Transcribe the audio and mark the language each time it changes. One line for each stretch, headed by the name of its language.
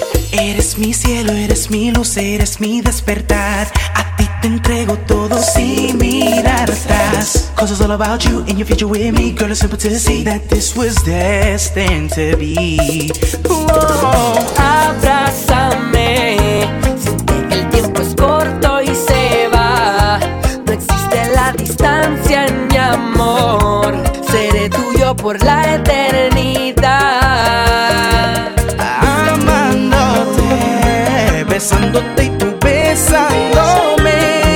Spanish: Eres mi cielo, eres mi luz, eres mi despertar. A ti te entrego todo sin mirar atrás.
English: 'Cause it's all about you and your future with me. Girl, it's simple to see that this was destined to be.
Spanish: Oh, abrázame. Siente que el tiempo es corto y se va. No existe la distancia en mi amor. Seré tuyo por la eternidad. Amándote, besándote y tú besándome.